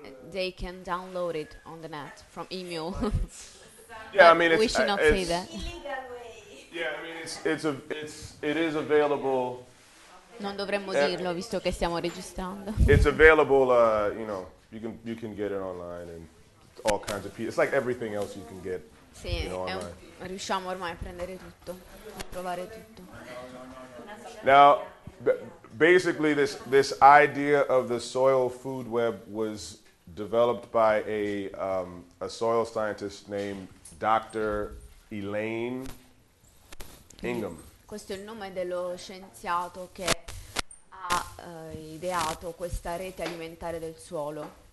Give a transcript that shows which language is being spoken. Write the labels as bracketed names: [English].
[English] They can download it on the net from email. Yeah, I mean, we should not say that. Yeah, I mean, it is available. [Italian] Non dovremmo dirlo visto che stiamo registrando. [English] It's available. You can get it online and all kinds of people. It's like everything else you can get. [Italian] Sì, riusciamo ormai a prendere tutto, a trovare tutto. [English] Now, basically, this idea of the soil food web was developed by a soil scientist named Dr. Elaine Ingham. [Italian] Questo è il nome dello scienziato che ha ideato questa rete alimentare del suolo.